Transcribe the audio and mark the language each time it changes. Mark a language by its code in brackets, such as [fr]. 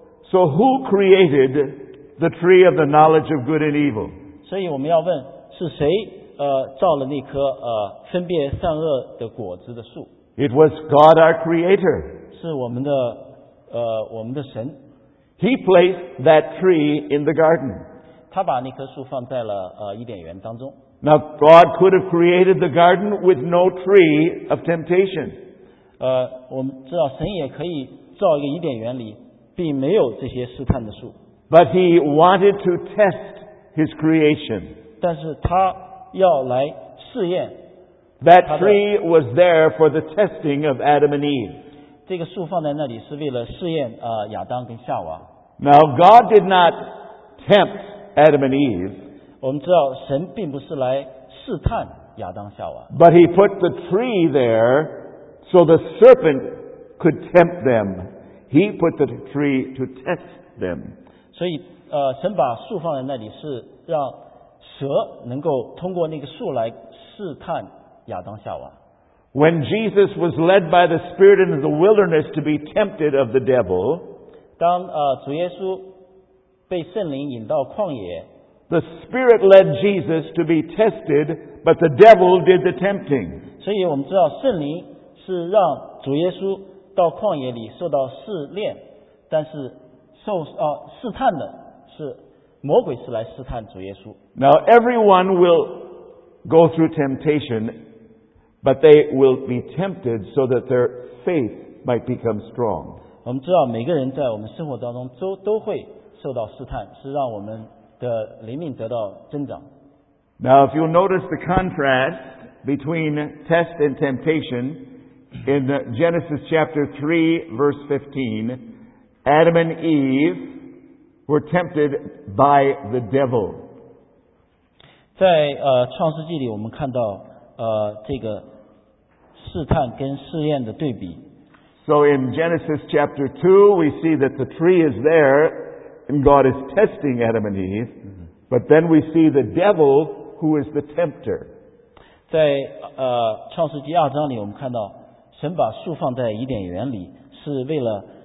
[en] So who created the tree of the knowledge of good and evil? [zh] 所以我们要问是谁造了那棵分别善恶的果子的树。 [en] It was God our creator. [zh] 是我们的神。 [en] He placed that tree in the garden. [zh] 他把那棵树放在了伊甸园当中。 [en] Now God could have created the garden with no tree of temptation. [zh] 我们知道神也可以造一个伊甸园里并没有这些试探的树。 [en] But he wanted to test his creation. [zh] 但是他要来试验。 [en] That tree was there for the testing of Adam and Eve. [zh] 这个树放在那里是为了试验亚当跟夏娃。 [en] Now God did not tempt Adam and Eve. [zh] 我们知道神并不是来试探亚当夏娃。 [en] But he put the tree there so the serpentcould tempt them. He put the tree to test them. [zh] 所以神把树放在那里是让蛇能够通过那个树来试探亚当夏娃。 [en] When Jesus was led by the Spirit into the wilderness to be tempted of the devil, [zh] 当主耶稣被圣灵引到旷野， [en] the Spirit led Jesus to be tested, but the devil did the tempting. [zh] 所以我们知道圣灵是让主耶稣到旷野里受到试炼，但是试探的是魔鬼，是来试探主耶稣。 [en] Now everyone will go through temptation, but they will be tempted so that their faith might become strong. [zh] 我们知道每个人在我们生活当中都会受到试探，是让我们的灵命得到增长。 [en] Now if you notice the contrast between test and temptation,In Genesis chapter 3, verse 15, Adam and Eve were tempted by the devil. [zh] 在创世纪里我们看到这个试探跟试验的对比。 [en] So in Genesis chapter 2, we see that the tree is there and God is testing Adam and Eve. But then we see the devil who is the tempter. [zh] 在创世纪二章里我们看到神把树放在伊甸园里是为了